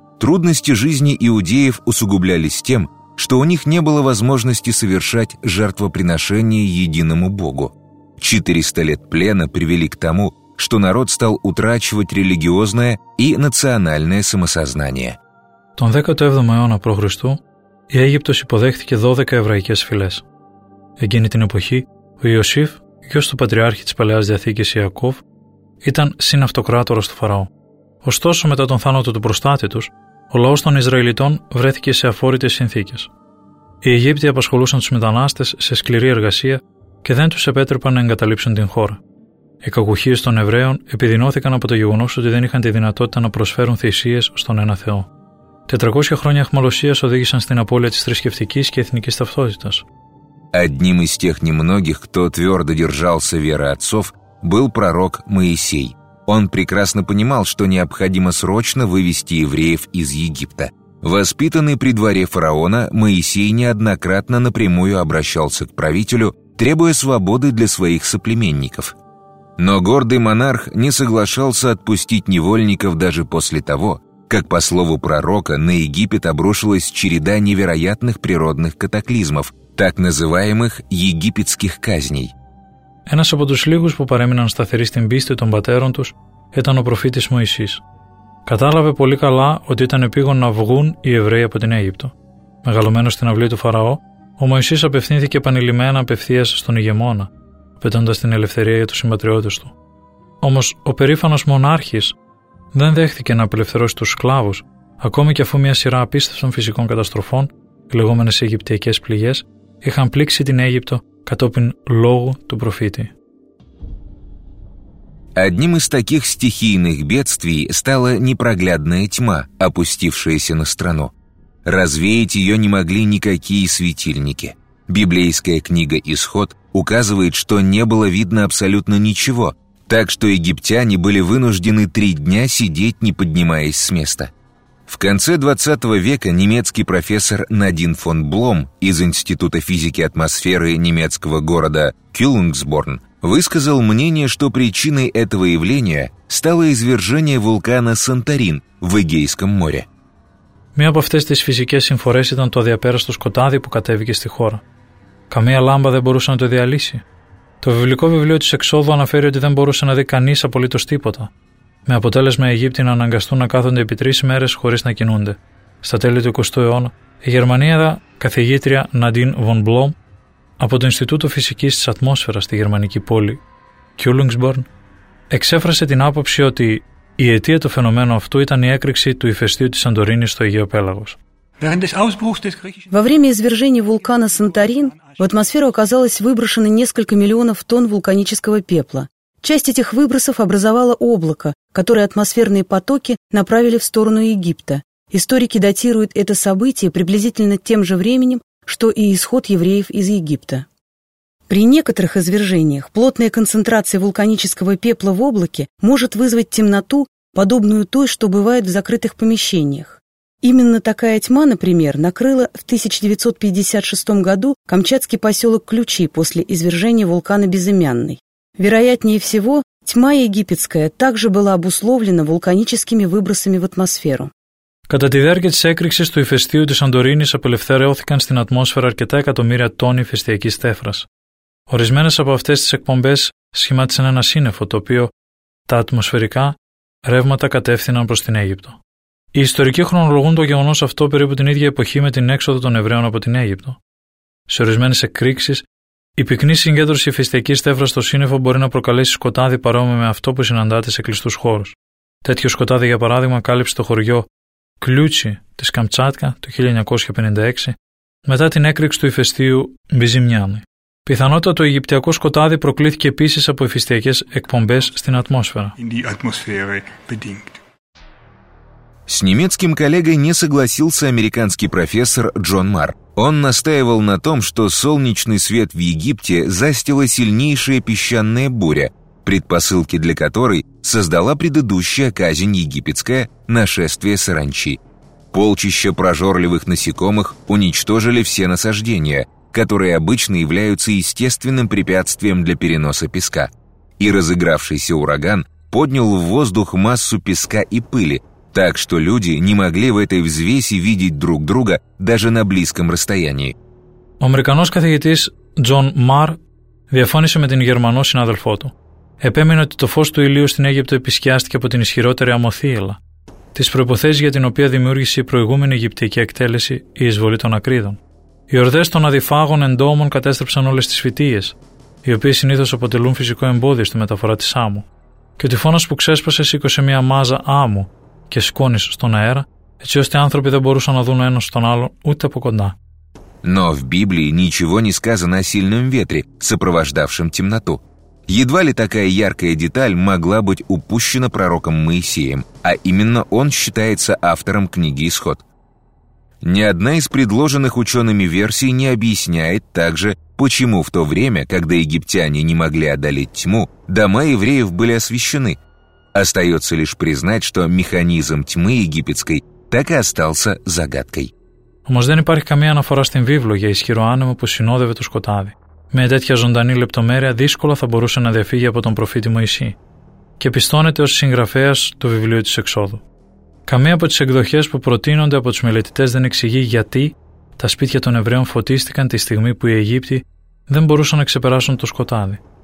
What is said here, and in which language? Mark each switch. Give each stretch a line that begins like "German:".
Russian: Трудности жизни иудеев усугублялись тем, что у них не было возможности совершать жертвоприношение единому Богу. 400 лет плена привели к тому, что народ стал утрачивать религиозное и национальное самосознание.
Greek: Τον 17ο αιώνα π.Χ. η Αίγυπτος υποδέχθηκε 12 εβραϊκές φυλές. Εκείνη την εποχή, ο Ιωσήφ, γιος του Πατριάρχη της Παλαιάς Διαθήκης Ιακώβ, ήταν συναυτοκράτορας του Φαραώ. Ωστόσο, μετά τον θάνατο του προστάτη τους, ο λαός των Ισραηλιτών βρέθηκε σε αφόρητες συνθήκες. Οι Αιγύπτιοι απασχολούσαν τους μετανάστες σε σκληρή εργασία και δεν τους επέτρεπαν να εγκαταλείψουν την χώρα. Οι κακουχίες των Εβραίων επιδεινώθηκαν από το γεγονός ότι δεν είχαν τη δυνατότητα να προσφέρουν θυσίες στον ένα Θεό. 400 χρόνια αιχμαλωσίας οδήγησαν στην απώλεια της θρησκευτικής και εθνικής ταυτότητας.
Russian: Одним из тех немногих, кто твердо держался веры отцов, был пророк Моисей. Он прекрасно понимал, что необходимо срочно вывести евреев из Египта. Воспитанный при дворе фараона, Моисей неоднократно напрямую обращался к правителю, требуя свободы для своих соплеменников. Но гордый монарх не соглашался отпустить невольников даже после того, как, по слову пророка, на Египет обрушилась череда невероятных природных катаклизмов, так называемых египетских казней.
Greek: Ένας από τους λίγους που παρέμειναν σταθεροί στην πίστη των πατέρων τους ήταν ο προφήτης Μωυσής. Κατάλαβε πολύ καλά ότι ήταν επίγον να βγουν οι Εβραίοι από την Αίγυπτο. Μεγαλωμένος στην αυλή του Φαραώ, ο Μωυσής απευθύνθηκε επανειλημμένα απευθείας στον ηγεμόνα, απαιτώντας την ελευθερία για τους συμπατριώτες του. Όμως ο περήφανος μονάρχης δεν δέχθηκε να απελευθερώσει τους σκλάβους, ακόμη και αφού μια σειρά απίστευτων φυσικών καταστροφών, οι λεγόμενες αιγυπτιακές πληγές, είχαν πλήξει την Αίγυπτο κατόπιν λόγου του προφήτη.
Russian: Одним из таких стихийных бедствий стала непроглядная тьма, опустившаяся на страну. Развеять ее не могли никакие светильники. Библейская книга «Исход» указывает, что не было видно абсолютно ничего, так что египтяне были вынуждены три дня сидеть, не поднимаясь с места. В конце 20 века немецкий профессор Надин фон Блом из Института физики атмосферы немецкого города Кёнигсборн высказал мнение, что причиной этого явления стало извержение вулкана Санторин в Эгейском море.
Greek: Μία από αυτές τις φυσικές συμφορές ήταν το αδιαπέραστο σκοτάδι που κατέβηκε στη χώρα. Καμία λάμπα δεν μπορούσε να το διαλύσει. Το βιβλικό βιβλίο της Εξόδου αναφέρει ότι δεν μπορούσε να δει κανείς απολύτως τίποτα. Με αποτέλεσμα οι Αιγύπτιοι να αναγκαστούν να κάθονται επί τρεις ημέρες χωρίς να κινούνται. Στα τέλη του 20ου αιώνα, η Γερμανία καθηγήτρια Nadine von Blom από το Ινστιτούτο Φυσικής της Ατμόσφαιρας στη γερμανική πόλη Kulungsborn εξέφρασε την άποψη ότι η αιτία του φαινομένου αυτού ήταν η έκρηξη του ηφαιστείου της Σαντορίνης στο Αιγαίο Πέλαγος.
Russian: Во время извержения вулкана Санторин в атмосферу оказалось выброшено несколько миллионов тонн вулканического пепла. Часть этих выбросов образовала облако, которое атмосферные потоки направили в сторону Египта. Историки датируют это событие приблизительно тем же временем, что и исход евреев из Египта. При некоторых извержениях плотная концентрация вулканического пепла в облаке может вызвать темноту, подобную той, что бывает в закрытых помещениях. Именно такая тьма, например, накрыла в 1956 году камчатский поселок Ключи после извержения вулкана Безымянный. Вероятнее всего, тьма египетская также была обусловлена вулканическими выбросами в атмосферу.
Greek: Κατά τη διάρκεια της έκρηξης του ηφαιστείου της Σαντορίνης απελευθερώθηκαν στην ατμόσφαιρα αρκετά εκατομμύρια τόνοι ηφαιστειακής τέφρας. Ορισμένες από αυτές τις εκπομπές σχημάτισαν ένα σύννεφο το οποίο τα ατμοσφαιρικά ρεύματα κατεύθυναν προς την Αίγυπτο. Οι ιστορικοί χρονολογούν το γεγονός αυτό περίπου την ίδια εποχή με την έξοδο των Εβραίων από την Αίγυπτο. Σε ορισμένες εκρήξεις, η πυκνή συγκέντρωση ηφαιστειακής τέφρας στο σύννεφο μπορεί να προκαλέσει σκοτάδι παρόμοιο με αυτό που συναντάται σε κλειστούς χώρους. Τέτοιο σκοτάδι, για παράδειγμα, κάλυψε το χωριό Κλούτσι της Καμτσάτκα το 1956 μετά την έκρηξη του ηφαιστείου Μπιζιμιάνη. Πιθανότατα το αιγυπτιακό σκοτάδι προκλήθηκε επίσης από ηφαιστειακές εκπομπές στην ατμόσφαιρα.
Russian: С немецким коллегой не согласился американский профессор Джон Марр. Он настаивал на том, что солнечный свет в Египте застила сильнейшая песчаная буря, предпосылки для которой создала предыдущая казнь египетская – нашествие саранчи. Полчища прожорливых насекомых уничтожили все насаждения, которые обычно являются естественным препятствием для переноса песка. И разыгравшийся ураган поднял в воздух массу песка и пыли, так что люди не могли в этой взвеси видеть друг друга даже на близком расстоянии. Американский
Greek: καθηγητής Джон Марр διαφώνησε με τον γερμανό συνάδελφό του. Επέμεινε ότι το φως του ηλίου στην Αίγυπτο επισκιάστηκε από την ισχυρότερη αμοθύελα, τις προϋποθέσεις για την οποία δημιούργησε η προηγούμενη αιγυπτιακή εκτέλεση, η εισβολή των ακρίδων. Οι ορδές των αδιφάγων εντόμων κατέστρεψαν όλες τις φυτίες, οι οποίες συνήθως αποτελούν φυσικό εμπόδιο στη μεταφορά της άμμου. Και ο τυφώνας που ξέσπασε σήκωσε μια μάζα άμμου και σκόνης στον αέρα, έτσι ώστε άνθρωποι δεν μπορούσαν να δουν ένας τον άλλον ούτε από κοντά.
Russian: Но в Библии ничего не сказано о сильном ветре, сопровождавшем темноту. Едва ли такая яркая деталь могла быть упущена пророком Моисеем, а именно он считается автором книги «Исход». Ни одна из предложенных учеными версий не объясняет также, почему в то время, когда египтяне не могли одолеть тьму, дома евреев были освещены. Остается лишь признать, что механизм тьмы египетской так и остался загадкой.
Greek: Όμως δεν υπάρχει καμία αναφορά στην βίβλο για ισχυρό άνεμο που συνόδευε το σκοτάδι. Μια τέτοια ζωντανή λεπτομέρεια δύσκολα θα μπορούσε να διαφύγει από τον προφήτη Μωυσή και πιστώνεται ως συγγραφέας του βιβλίου της Εξόδου. Καμία από τις εκδοχές που προτείνονται από τους μελετητές δεν εξηγεί γιατί τα σπίτια των Εβραίων φωτίστηκαν τη στιγμή που οι Αιγύπτιοι δεν μπορούσαν να ξεπεράσουν το σκοτάδι.